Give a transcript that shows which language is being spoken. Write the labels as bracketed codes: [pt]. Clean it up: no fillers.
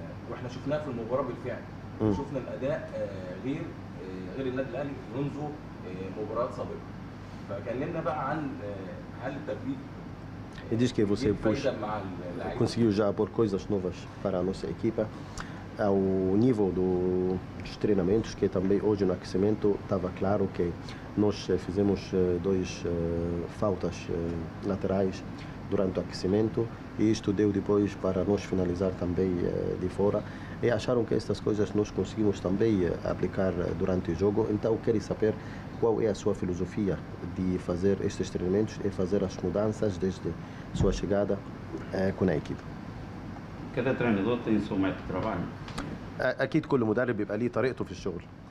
[ar] واحنا شفناه في المباراه بالفعل شفنا الاداء غير النادي الاهلي منذ مباريات سابقه فكلمنا بقى عن هل التبديل [pt] ele diz que você conseguiu já pôr coisas novas para a nossa equipa ao nível dos treinamentos, que também hoje no aquecimento estava claro que nós fizemos dois faltas laterais durante o aquecimento e isto deu depois para nós finalizar também de fora e acharam que estas coisas nós conseguimos também aplicar durante o jogo, então querem saber qual é a sua filosofia de fazer estes treinamentos e fazer as mudanças desde sua chegada com a equipe. Cada treinador tem seu método de trabalho. [ar] أكيد كل مدرب بيبقى ليه طريقته في الشغل.